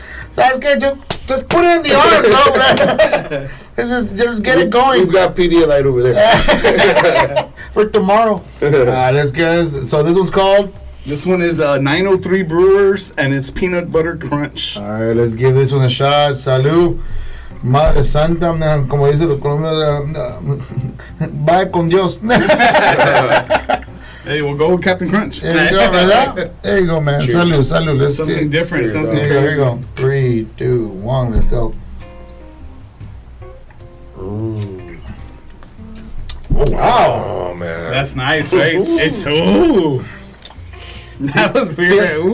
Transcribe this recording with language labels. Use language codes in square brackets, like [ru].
[en] So I was going to just put it in the arm, bro. just get it going. We've got Pedialyte over there. For tomorrow. Let's go. So this one's called? This one is 903 Brewers, and it's Peanut Butter Crunch. All right, let's give this one a shot. [es] Salud. Madre Santa, como dice los colombianos, vaya con Dios. [en] Hey, we'll go with Captain Crunch. There you go, man. Cheers. [es] Salud, salud. [en] Let's something different, here something here crazy. Go. 3, 2, 1, let's go. Ooh. Oh, wow. Oh, man. That's nice, right? Ooh. It's, that was weird.